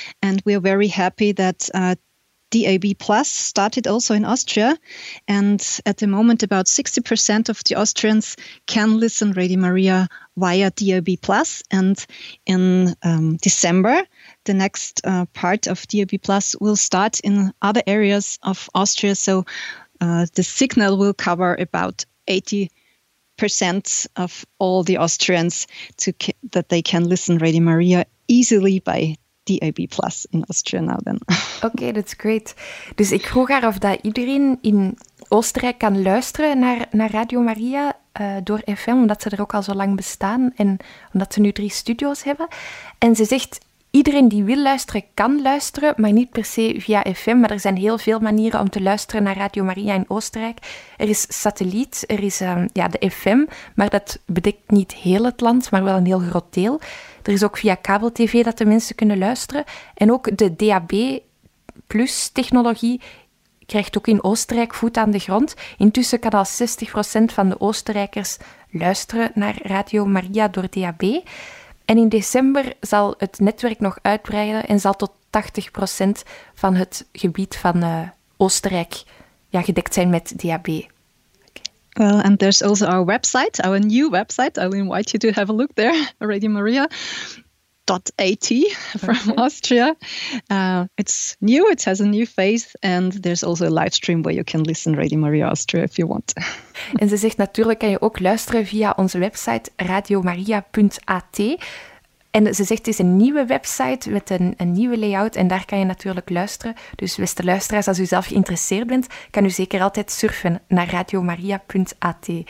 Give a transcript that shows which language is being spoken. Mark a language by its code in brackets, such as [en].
[en] And we are very happy that DAB Plus started also in Austria, and at the moment about 60% of the Austrians can listen Radio Maria via DAB Plus, and in December the next part of DAB Plus will start in other areas of Austria, so the signal will cover about 80% of all the Austrians that they can listen Radio Maria easily by DAB Plus in Austria now then. Okay, that's great. [nl] Dus ik vroeg haar of dat iedereen in Oostenrijk kan luisteren naar Radio Maria door FM, omdat ze er ook al zo lang bestaan en omdat ze nu drie studio's hebben. En ze zegt, iedereen die wil luisteren, kan luisteren, maar niet per se via FM. Maar er zijn heel veel manieren om te luisteren naar Radio Maria in Oostenrijk. Er is satelliet, er is de FM, maar dat bedekt niet heel het land, maar wel een heel groot deel. Er is ook via kabel-tv dat de mensen kunnen luisteren. En ook de DAB-plus-technologie krijgt ook in Oostenrijk voet aan de grond. Intussen kan al 60% van de Oostenrijkers luisteren naar Radio Maria door DAB. En in december zal het netwerk nog uitbreiden en zal tot 80% van het gebied van Oostenrijk gedekt zijn met DAB. [en] Well, and there's also our website, our new website. I'll invite you to have a look there, radiomaria.at from okay. Austria. It's new, it has a new face, and there's also a live stream where you can listen Radio Maria Austria if you want. [nl] En ze zegt natuurlijk kan je ook luisteren via onze website radiomaria.at. En ze zegt, het is een nieuwe website met een nieuwe layout en daar kan je natuurlijk luisteren. Dus beste luisteraars, als u zelf geïnteresseerd bent, kan u zeker altijd surfen naar radiomaria.at.